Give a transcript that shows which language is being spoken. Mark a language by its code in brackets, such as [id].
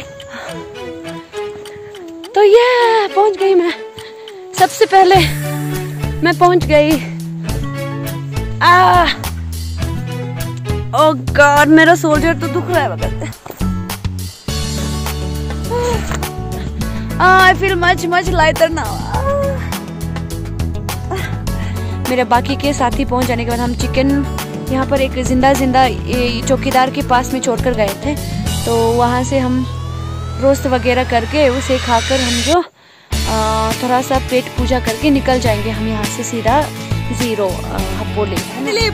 [hi] तो ये पहुंच गई मैं, सबसे पहले मैं पहुंच गई। ओ गॉड, मेरा सोल्जर तो दुख रहा है। [en] I feel much much lighter now. [hi] मेरे बाकी के साथी पहुंच जाने के बाद हम चिकन यहाँ पर एक जिंदा चौकीदार के पास में छोड़ कर गए थे, तो वहाँ से हम रोस्ट वगैरह करके उसे खाकर हम जो थोड़ा सा पेट पूजा करके निकल जाएंगे हम यहाँ से सीधा जीरो हपोली।